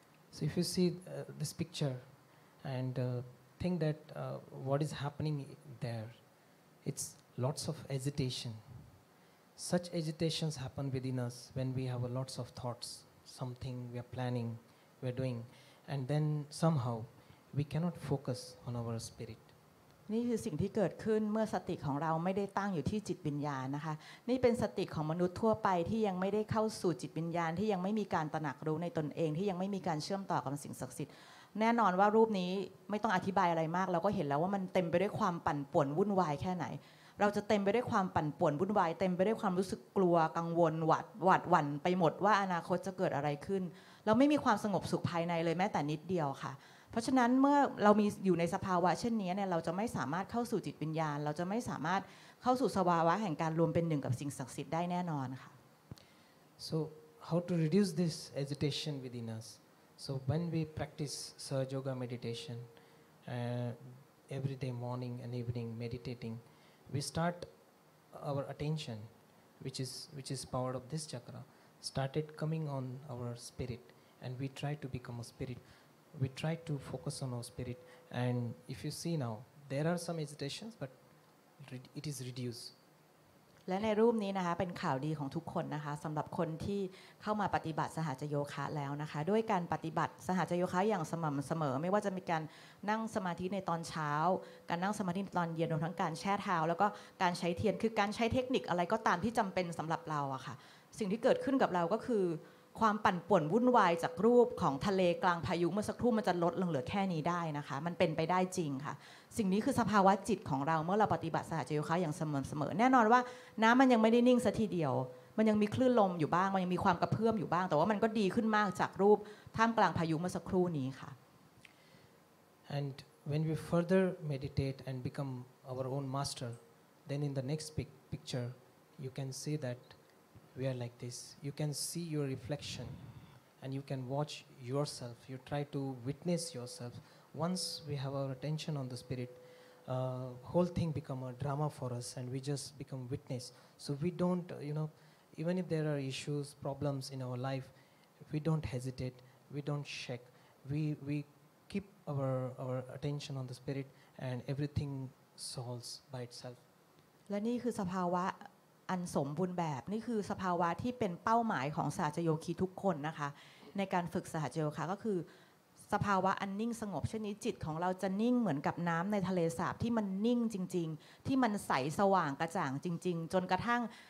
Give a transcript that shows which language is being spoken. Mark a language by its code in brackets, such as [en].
[en] So if you see this picture and think that what is happening there, it's lots of agitation. Such agitations happen within us when we have lots of thoughts, something we are planning, we are doing, and then somehow we cannot focus on our spirit. [th] นี่คือสิ่งที่เกิดขึ้นเมื่อสติของเราไม่ได้ตั้งอยู่ที่จิตวิญญาณนะคะนี่เป็นสติของมนุษย์ทั่วไปที่ยังไม่ได้เข้าสู่จิตวิญญาณที่ยังไม่มีการตระหนักรู้ในตนเองที่ยังไม่มีการเชื่อมต่อกับสิ่งศักดิ์สิทธิ์แน่นอนว่ารูปนี้ไม่ต้องอธิบายอะไรมากเราก็เห็นแล้วว่ามันเต็มไปด้วยความปั่นป่วนวุ่นวายแค่ไหน เราจะเต็มไปด้วยความปั่นป่วนวุ่นวายเต็มไปด้วยความรู้สึกกลัวกังวลหวาดหวั่นไปหมดว่าอนาคตจะเกิดอะไรขึ้นเราไม่มีความสงบสุขภายในเลยแม้แต่นิดเดียวค่ะเพราะฉะนั้นเมื่อเรามีอยู่ในสภาวะเช่นนี้เนี่ยเราจะไม่สามารถเข้าสู่จิตวิญญาณเราจะไม่สามารถเข้าสู่สภาวะแห่งการรวมเป็นหนึ่งกับสิ่งศักดิ์สิทธิ์ได้แน่นอนค่ะ [en] So how to reduce this agitation within us So when we practice Surya Yoga meditation every day morning and evening meditating, we start our attention, which is powered of this chakra, started coming on our spirit, and we try to become a spirit. We try to focus on our spirit, and if you see now, there are some hesitations, but it is reduced. [th] และในรูปนี้นะคะเป็นข่าวดีของทุกคนนะคะสำหรับคนที่เข้ามาปฏิบัติสหัจจโยคะแล้วนะคะด้วยการปฏิบัติสหัจจโยคะอย่างสม่ำเสมอไม่ว่าจะมีการนั่งสมาธิในตอนเช้า การนั่งสมาธิในตอนเย็นรวมทั้งการแช่เท้าแล้วก็การใช้เทียนคือการใช้เทคนิคอะไรก็ตามที่จำเป็นสำหรับเราอะค่ะสิ่งที่เกิดขึ้นกับเราก็คือความปั่นป่วนวุ่นวายจากรูปของทะเลกลางพายุเมื่อสักครู่มันจะลดลงเหลือแค่นี้ได้นะคะมันเป็นไปได้จริงค่ะสิ่งนี้คือสภาวะจิตของเราเมื่อเราปฏิบัติสหัจจโยคะอย่างเสมอๆแน่นอนว่าน้ำมันยังไม่ได้นิ่งซะทีเดียวมันยังมีคลื่นลมอยู่บ้างมันยังมีความกระเพื่อมอยู่บ้างแต่ว่ามันก็ดีขึ้นมากจากรูปท่ามกลางพายุเมื่อสักครู่นี้ค่ะ [en] And when we further meditate and become our own master then in the next picture you can see that we are like this you can see your reflection and you can watch yourself you try to witness yourselfOnce we have our attention on the spirit, whole thing become a drama for us, and we just become witness. So we don't, you know, even if there are issues, problems in our life, we don't hesitate, we don't shake. We keep our attention on the spirit, and everything solves by itself. [th] และนี่คือสภาวะอันสมบูรณ์แบบนี่คือสภาวะที่เป็นเป้าหมายของสหัจจโยคีทุกคนนะคะในการฝึกสหัจจโยคะก็คือสภาวะอันนิ่งสงบเช่นนี้จิตของเราจะนิ่งเหมือนกับน้ำในทะเลสาบที่มันนิ่งจริงๆที่มันใสสว่างกระจ่างจริงๆจนกระทั่ง